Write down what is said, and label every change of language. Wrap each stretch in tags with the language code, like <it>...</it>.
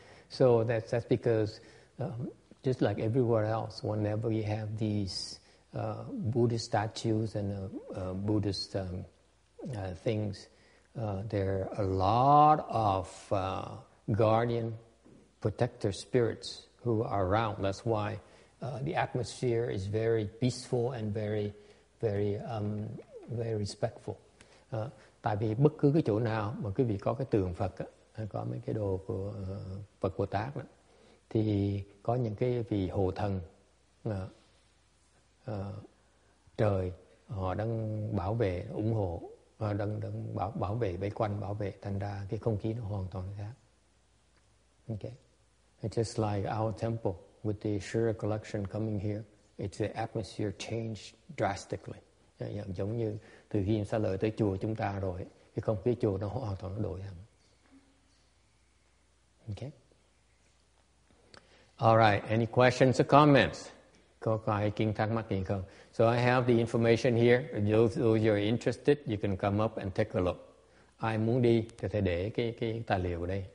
<en>So that's because just like everywhere else, whenever you have these Buddhist statues and Buddhist things, there are a lot of guardian, protector spirits who are around. That's why the atmosphere is very peaceful and very, very, very respectful.</en> <vi>Tại vì bất cứ cái chỗ nào mà quý vị có cái tượng Phật á, có mấy cái đồ của Phật Bồ Tát đó, thì có những cái vị hộ thần trời họ đang bảo vệ, ủng hộ, đang bảo vệ vây quanh, bảo vệ, thành ra cái không khí nó hoàn toàn khác.</vi> <en>Okay, just like our temple. With the Shura collection coming here, it's the atmosphere changed drastically.</en> <vi>Giống như từ khi Sa Lợi tới chùa chúng ta rồi, cái không khí chùa nó hoàn toàn đổi hẳn.</vi> <en>Okay. All right. Any questions or comments?</en> <vi>Có ai kinh thắc mắc gì không?</vi> <en>So I have the information here. Those who are interested, you can come up and take a look.</en> <vi>Ai muốn đi thì thầy để cái tài liệu ở đây.</vi>